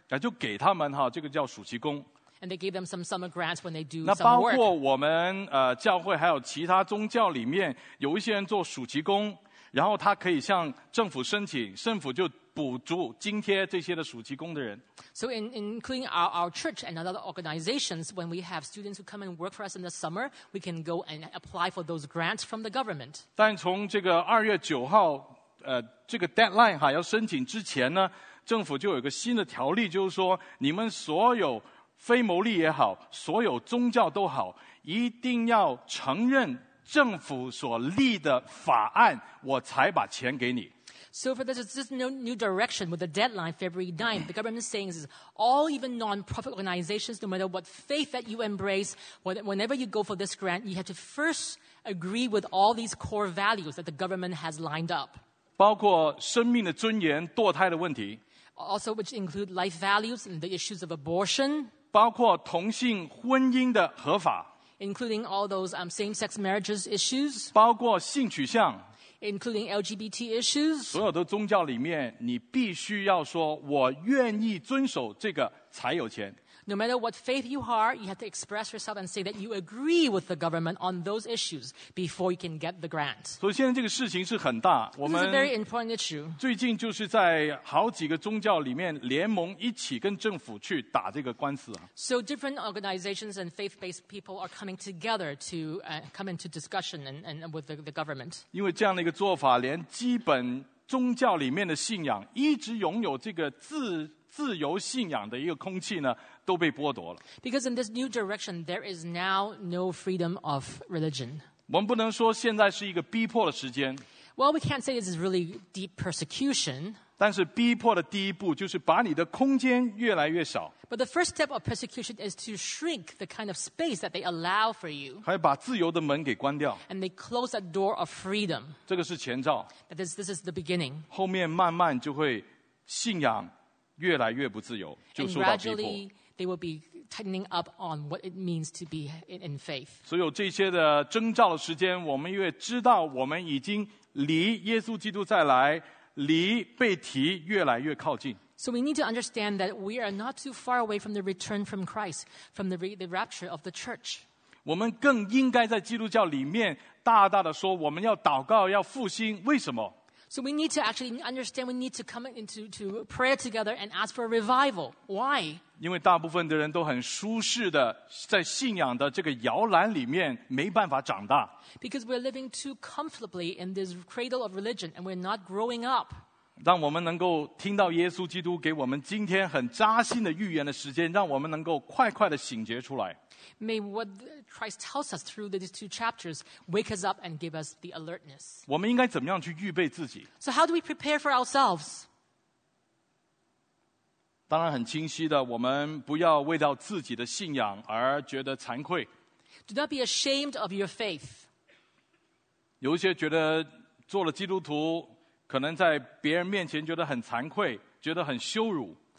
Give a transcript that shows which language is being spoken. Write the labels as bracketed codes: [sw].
[zh] 那就给他们哈，这个叫暑期工。 [en] And they gave them some summer grants when they do some work. [zh] 那包括我们教会还有其他宗教里面有一些人做暑期工，然后他可以向政府申请，政府就补助津贴这些的暑期工的人。 [en] So including our church and other organizations, when we have students who come and work for us in the summer, we can go and apply for those grants from the government. [zh] 但从这个2月9号这个 deadline 哈要申请之前呢，政府就有一个新的条例，就是说你们所有非牟利也好，所有宗教都好，一定要承认政府所立的法案，我才把钱给你。 [en] So for this new direction with the deadline February 9th, the government is saying is all even non-profit organizations, no matter what faith that you embrace, whenever you go for this grant, you have to first agree with all these core values that the government has lined up. [zh] 包括生命的尊严、堕胎的问题。 [en] Also which include life values and the issues of abortion. [zh] 包括同性婚姻的合法。 [en] Including all those same-sex marriages issues. [zh] 包括性取向。 [en] Including LGBT issues. [zh] 所有的宗教里面，你必须要说，我愿意遵守这个才有钱。 [en] No matter what faith you are, you have to express yourself and say that you agree with the government on those issues before you can get the grant. [zh] 所以现在这个事情是很大。 [en] This is a very important issue. [zh] 最近就是在好几个宗教里面联盟一起跟政府去打这个官司啊。 [en] So different organizations and faith-based people are coming together to come into discussion and with the government. [zh] 因为这样的一个做法，连基本宗教里面的信仰一直拥有这个自由信仰的一个空气呢。都被剥夺了。 [en] Because in this new direction, there is now no freedom of religion. [zh] 我们不能说现在是一个逼迫的时间。 [en] Well, we can't say this is really deep persecution. [zh] 但是逼迫的第一步就是把你的空间越来越少。 [en] But the first step of persecution is to shrink the kind of space that they allow for you. [zh] 还要把自由的门给关掉。 [en] And they close that door of freedom. [zh] 这个是前兆。 [en] That this is the beginning. [zh] 后面慢慢就会信仰越来越不自由，就受到逼迫。 [en] They will be tightening up on what it means to be in faith. [zh] 所以有这些的征兆的时间，我们越知道我们已经离耶稣基督再来，离被提越来越靠近。 [en] So we need to understand that we are not too far away from the return from Christ, from the rapture of the church. [zh] 我们更应该在基督教里面大大的说，我们要祷告，要复兴。为什么？ [en] So we need to actually understand, we need to come into prayer together and ask for a revival. Why? [zh] 因为大部分的人都很舒适的在信仰的这个摇篮里面没办法长大。 [en] Because we're living too comfortably in this cradle of religion and we're not growing up. [zh] 让我们能够听到耶稣基督给我们今天很扎心的预言的时间，让我们能够快快的醒觉出来。 [en] May what Christ tells us through these two chapters wake us up and give us the alertness. [zh] 我们应该怎么样去预备自己？ [en] So how do we prepare for ourselves? [zh] 当然很清晰的，我们不要为到自己的信仰而觉得惭愧。 [en] Do not be ashamed of your faith. [zh] 有一些觉得做了基督徒，可能在别人面前觉得很惭愧，觉得很羞辱。